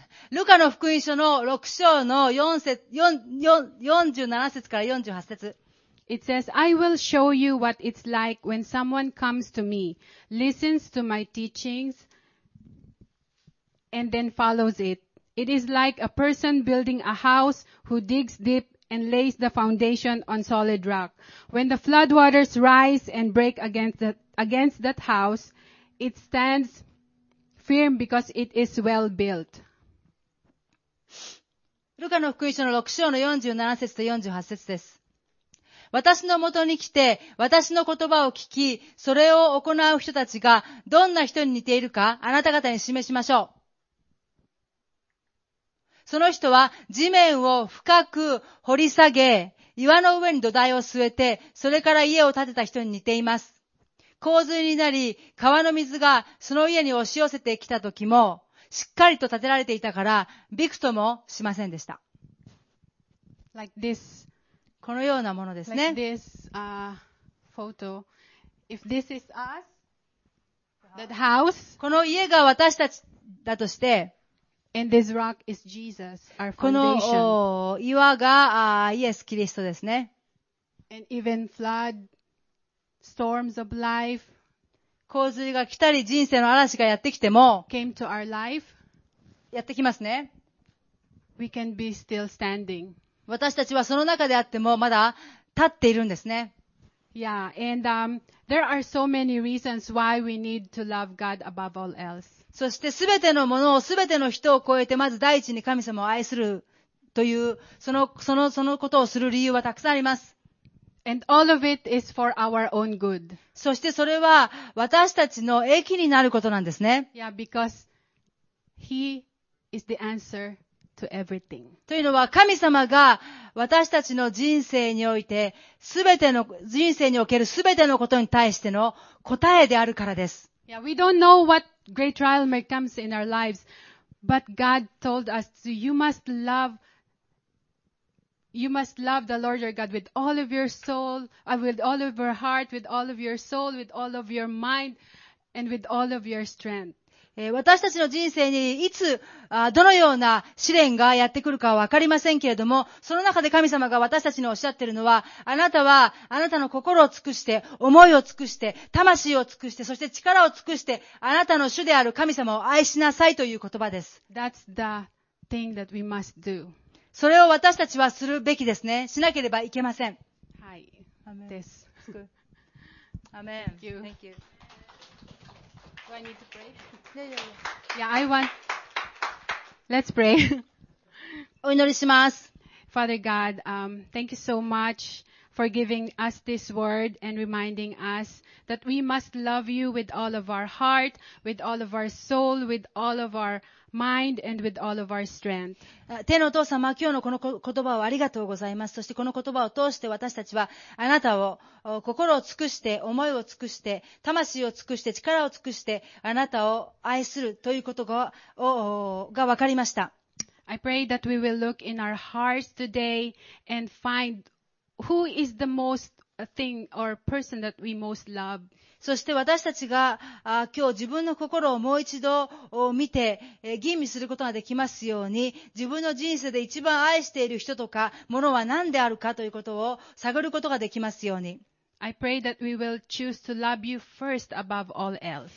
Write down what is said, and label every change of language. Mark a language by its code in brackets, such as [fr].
[ja] ルカの福音書の6章の47節から48節。 [en] It says, I will show you what it's like when someone comes to me, listens to my teachings, and then follows it. It is like a person building a house who digs deep and lays the foundation on solid rock. When the floodwaters rise and break against that house, it stands firm because it is well built. [ja] ルカの福音書の6章の47節と48節です。私の元に来て、私の言葉を聞き、それを行う人たちがどんな人に似ているか、あなた方に示しましょう。その人は地面を深く掘り下げ、岩の上に土台を据えて、それから家を建てた人に似ています。洪水になり、川の水がその家に押し寄せてきた時も、しっかりと建てられていたから、びくともしませんでした。 [en] Like this. [ja] このようなものですね。 [en] Like this, photo. If this is us, that house. [ja] この家が私たちだとして、 [en] And this rock is Jesus, our foundation. [ja] この岩がイエス・キリストですね。 [en] And even flood, storms of life, [ja] 洪水が来たり人生の嵐がやってきても [en] came to our life, [ja] やってきますね。 [en] We can be still standing. [ja] 私たちはその中であってもまだ立っているんですね。 [en] Yeah, and, there are so many reasons why we need to love God above all else. [ja] そしてすべてのものをすべての人を超えてまず第一に神様を愛するというそのことをする理由はたくさんあります。 [en] And all of it is for our own good. [ja] そしてそれは私たちの益になることなんですね。 [en] Yeah, because He is the answer to everything. [ja] というのは神様が私たちの人生においてすべての人生におけるすべてのことに対しての答えであるからです。 [en] Yeah, we don't know what great trial may come in our lives, but God told us, to, you must love the Lord your God with all of your soul, with all of your heart, with all of your soul, with all of your mind, and with all of your strength. [ja] 私たちの人生にいつ、どのような試練がやってくるかはわかりませんけれども、その中で神様が私たちにおっしゃっているのは、あなたは、あなたの心を尽くして、思いを尽くして、魂を尽くして、そして力を尽くして、あなたの主である神様を愛しなさいという言葉です。 [en] That's the thing that we must do. [ja] それを私たちはするべきですね。しなければいけません。はい。アメン。です。アメン。 [en] Thank you. Thank you. Do I need to pray? Yeah, I want. Let's pray. [ja] お祈りします。 [en] Father God, thank you so much for giving us this word and reminding us that we must love you with all of our heart, with all of our soul, with all of our mind and with all of our strength. [ja] 天のお父様、今日のこの言葉をありがとうございます。そしてこの言葉を通して私たちはあなたを心を尽くして、思いを尽くして、魂を尽くして、力を尽くして、あなたを愛するということが分かりました。 [en] I pray that we will look in our hearts today and find who is the most thing or person that we most love. [ja] そして私たちが今日自分の心をもう一度見て吟味することができますように自分の人生で一番愛している人とかものは何であるかということを探ることができますように。 [en] I pray that we will choose to love you first above all else.